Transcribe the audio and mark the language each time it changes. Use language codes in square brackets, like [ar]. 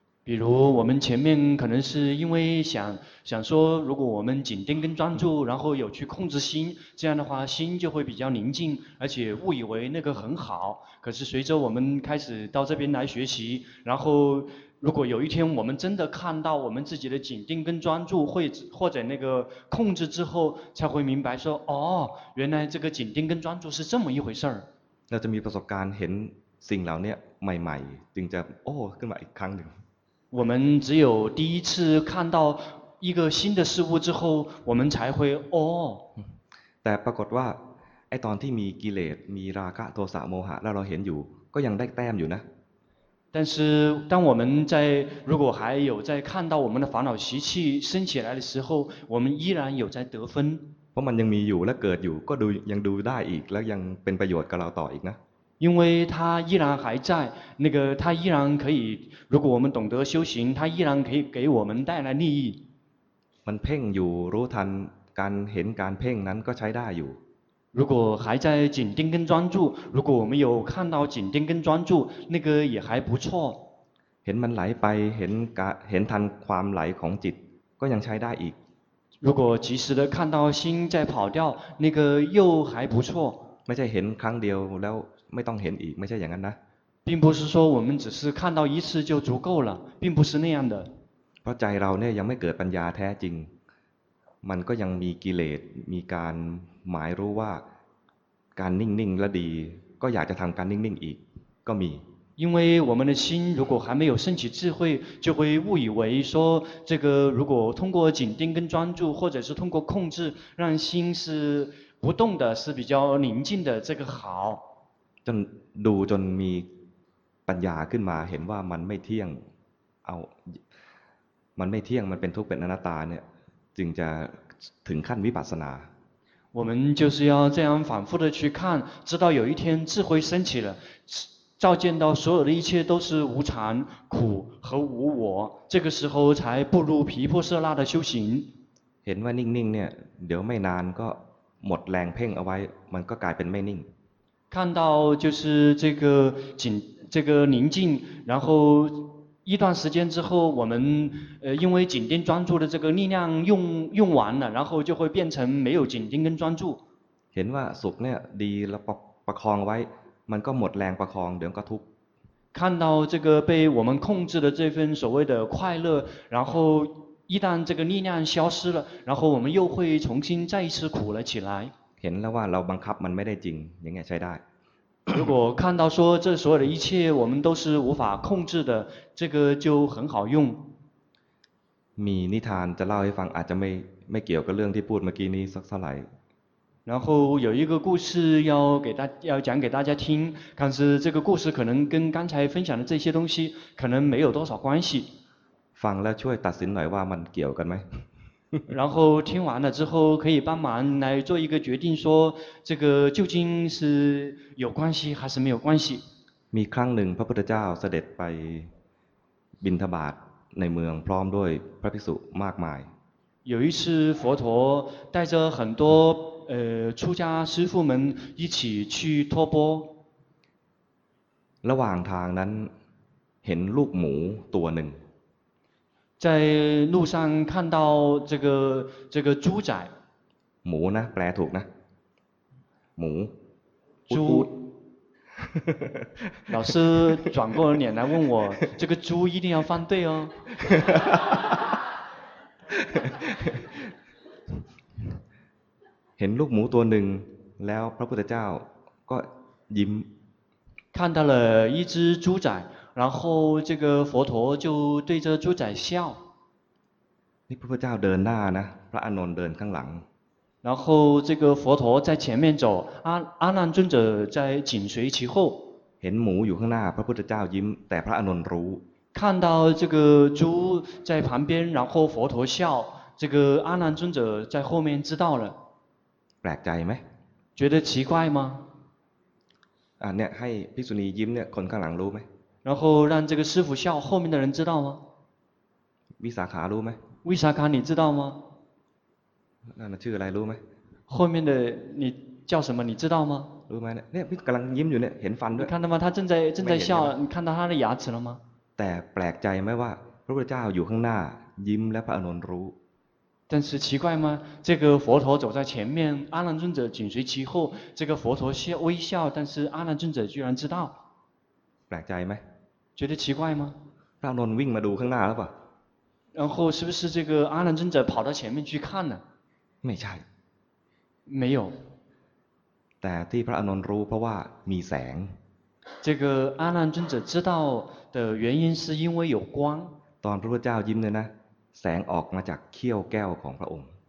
[zh] 比如我们前面可能是因为想说如果我们紧盯跟专注然后有去控制心这样的话心就会比较宁静而且误以为那个很好可是随着我们开始到这边来学习然后如果有一天我们真的看到我们自己的紧盯跟专注或者那个控制之后才会明白说哦原来这个紧盯跟专注是这么一回事那就没有 [th] ประสบการณ์เห็นสิ่งเหล่านี้ใหม่ๆจึงจะโอ้ขึ้นมาอีกครั้งนึง วันนี้เราได้เห็นสิ่งใหม่ๆที่เกิดขึ้นในชีวิตของเราเราจึงโอ้แต่ปรากฏว่าไอ้ตอนที่มีกิเลสมีราคะโทสะโมหะแล้วเราเห็นอยู่ก็ยังได้แต้มอยู่นะ [zh] 但是当我们在如果还有在看到我们的烦恼习气升起来的时候我们依然有在得分 [th] เพราะมันยังมีอยู่และเกิดอยู่ก็ดูยังดูได้อีกและยังเป็นประโยชน์กับเราต่ออีกนะ [zh] 因为它依然还在那个它依然可以如果我们懂得修行它依然可以给我们带来利益 [th] มันเพ่งอยู่รู้ทันการเห็นการเพ่งนั้นก็ใช้ได้อยู่ [zh] 如果还在紧盯跟专注如果我们有看到紧盯跟专注那个也还不错 [th] เห็นมันไหลไปเห็นทันความไหลของจิตก็ยังใช้ได้อีก [zh] 如果及时的看到心在跑掉那个又还不错 [th] ไม่ใช่เห็นครั้งเดียวแล้วไม่ต้องเห็นอีกไม่ใช่อย่างนั้นนะ [zh] 并不是说我们只是看到一次就足够了并不是那样的 [th] เพราะใจเราเนี่ยยังไม่เกิดปัญญาแท้จริงมันก็ยังมีกิเลสมีการหมายรู้ว่าการนิ่งๆและดีก็อยากจะทำการนิ่งๆอีกก็มี [zh] 因为我们的心如果还没有升起智慧就会误以为说这个如果通过紧盯跟专注或者是通过控制让心是不动的是比较宁静的这个好 [th] จนดูจนมีปัญญาขึ้นมาเห็นว่ามันไม่เที่ยงเอามันไม่เที่ยงมันเป็นทุกข์เป็นอนัตตาเนี่ยจึงจะถึงขั้นวิปัสสนา [zh] 我们就是要这样反复的去看直到有一天智慧升起了照见到所有的一切都是无常苦和无我这个时候才步入毗婆舍那的修行 [th] เห็นว่านิ่งๆเนี่ยเดี๋ยวไม่นานก็หมดแรงเพ่งเอาไว้มันก็กลายเป็นไม่นิ่ง [zh] 看到就是这个宁静然后一段时间之后我们因为紧盯专注的这个力量用完了然后就会变成没有紧盯跟专注 [th] เห็นว่าสุขเนี่ยดีแล้วประคองไว้มันก็หมดแรงประคองเดี๋ยวก็ทุกข์ [zh] 看到这个被我们控制的这份所谓的快乐然后一旦这个力量消失了然后我们又会重新再一次苦了起来 [th] เห็นแล้วว่าเราบังคับมันไม่ได้จริงยังไงใช้ได้ [zh] 如果看到说这所有的一切我们都是无法控制的这个就很好用 [th] มีนิทานจะเล่าให้ฟังอาจจะไม่เกี่ยวกับเรื่องที่พูดเมื่อกี้นี้สักเท่าไหร่ [zh] 然后有一个故事要讲给大家听但是这个故事可能跟刚才分享的这些东西可能没有多少关系 [th] ฟังแล้วช่วยตัดสินหน่อยว่ามันเกี่ยวกันไหม [zh] 然后听完了之后可以帮忙来做一个决定说这个究竟是有关系还是没有关系 [th] มีครั้งหนึ่งพระพุทธเจ้าเสด็จไปบิณฑบาตในเมืองพร้อมด้วยพระภิกษุมากมาย [zh] 有一次佛陀带着很多出家师父们一起去托钵 [th] ระหว่างทางนั้นเห็นลูกหมูตัวหนึ่ง [zh] 在路上看到这个猪仔 [th] หมูนะแปลถูกนะหมู [zh] 猪老师转过脸来问我这个猪一定要放对哦 [th] เห็นลูกหมูตัวหนึ่งแล้วพระพุทธเจ้าก็ยิ้ม [zh] 看到了一只猪仔然后这个佛陀就对着猪仔笑 [th] นี่พระพุทธเจ้าเดินหน้านะพระอานนท์เดินข้างหลัง [zh] 然后这个佛陀在前面走，阿难尊者在紧随其后。 [th] เห็นหมูอยู่ข้างหน้าพระพุทธเจ้ายิ้มแต่พระอานนท์รู้ [zh] 看到这个猪在旁边然后佛陀笑这个阿难尊者在后面知道了 [th] แปลกใจไหม [zh] 觉得奇怪吗 [th] เนี่ยให้ภิกษุณียิ้มเนี่ยคนข้างหลังรู้ไหม [zh] 然后让这个师父笑后面的人知道吗 [th] วิสาขารู้ไหม [zh] วิสาขา你知道吗 [th] นั่นชื่ออะไรรู้ไหม [zh] 后面的你叫什么你知道吗 [th] รู้ไหมเนี่ยพี่กำลังยิ้มอยู่เนี่ยเห็นฟันด้วย [zh] 看到吗他正在笑你看到他的牙齿了吗 [th] แต่แปลกใจไหมว่าพระพุทธเจ้าอยู่ข้างหน้ายิ้มและพระอนุนรู้ [zh] 但是奇怪吗这个佛陀走在前面阿难尊者紧随其后这个佛陀笑微笑但是阿难尊者居然知道 [th] แปลกใจไหม [zh] 觉得奇怪吗 [th] พระอนุนวิ่งมาดูข้างหน้าแล้วป่ะ [zh] 然后是不是这个阿难尊者跑到前面去看呢 [th] ไม่ใช่ [zh] 没有 [th] แต่ที่พระอานนท์รู้เพราะว่ามีแสง [zh] 这个阿难尊者知道的原因是因为有光 [th] ตอนพระพุทธเจ้ายิ้มเลยนะแสงออกมาจากเขี้ยวแก้วของพระองค์